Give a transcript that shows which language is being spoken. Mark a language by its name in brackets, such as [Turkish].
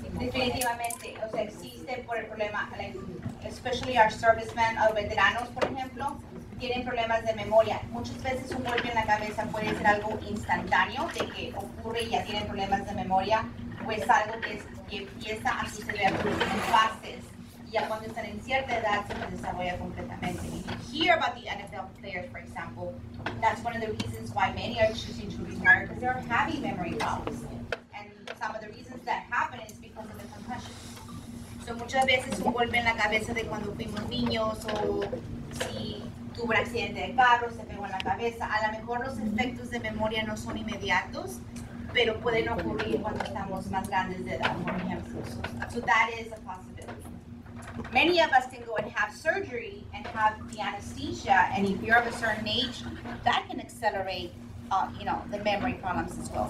[Spanish] Definitivamente, o sea, existe por el problema, [English] like, especially our servicemen, [Spanish] los veteranos, por ejemplo, tienen problemas de memoria. Muchas veces un golpe en la cabeza puede ser algo instantáneo, de que ocurre y ya tienen problemas de memoria, o es algo que empieza a suceder en fases, y ya cuando están en cierta edad se desarrolla completamente. [English] If you hear about the NFL players, for example, that's one of the reasons why many are choosing to retire, because they're having memory problems. Some of the reasons that happen is because of the concussions. [Spanish] So muchas veces un golpe en la cabeza de cuando fuimos niños, o si tuvo un accidente de carro, se pegó en la cabeza. A lo mejor los efectos de memoria no son inmediatos, pero pueden ocurrir cuando estamos más grandes de edad, por ejemplo. [English] So that is a possibility. Many of us can go and have surgery and have the anesthesia, and if you're of a certain age, that can accelerate, the memory problems as well.